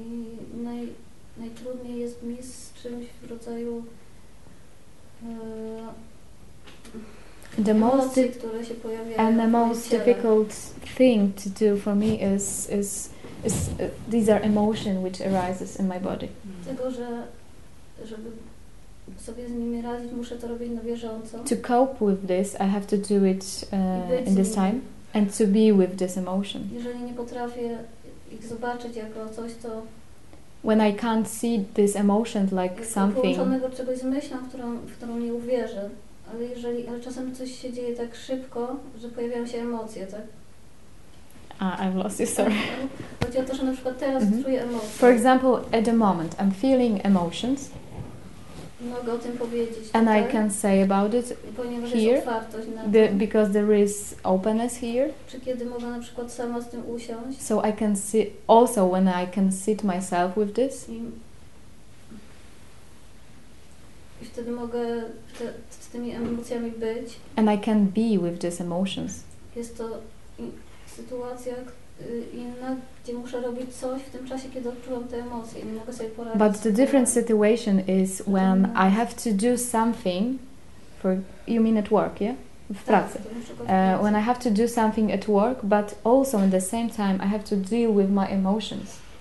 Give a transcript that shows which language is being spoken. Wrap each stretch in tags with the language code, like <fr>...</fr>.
<pl>Mm. I najtrudniej jest mi z czymś w rodzaju...</pl> <en>The most difficult thing to do for me is these are emotions which arises in my body.</en> <pl>Tego, że żeby sobie z nimi radzić, muszę to robić na bieżąco.</pl> <en>To cope with this, I have to do it in this time and to be with this emotion.</en> <pl>Jeżeli nie potrafię ich zobaczyć jako coś, to</pl> <en>when I can't see this emotion like something.</en> <pl>Jest połączonego czegoś z myślą, w którą nie uwierzę. Ale czasem coś się dzieje tak szybko, że pojawiają się emocje, tak?</pl> <en>I've lost you, sorry.</en> <pl>Chodzi o to, że na przykład teraz czuję emocje.</pl> <en>For example, at the moment, I'm feeling emotions.</en> <pl>Mogę o tym powiedzieć.</pl> <en>And</en> <pl>tutaj,</pl> <en>I can say about it</en> <pl>ponieważ</pl> <en>here,</en> <pl>jest otwartość na</pl> <en>the, because there is openness here.</en> <pl>Czy kiedy mogę na przykład sama z tym usiąść?</pl> <en>So I can sit, also when I can sit myself with this.</en> <pl>I wtedy mogę z tymi emocjami być.</pl> <en>And I can be with these emotions.</en> <pl>Jest to sytuacja inna, gdzie muszę robić coś w tym czasie, kiedy odczuwam te emocje i nie mogę sobie poradzić.</pl> <en>But the different situation is when I have to do something for, you mean at work, yeah?</en> <pl>W pracy.</pl> <en>When I have to do something at work, but also in the same time I have to deal with my emotions.</en>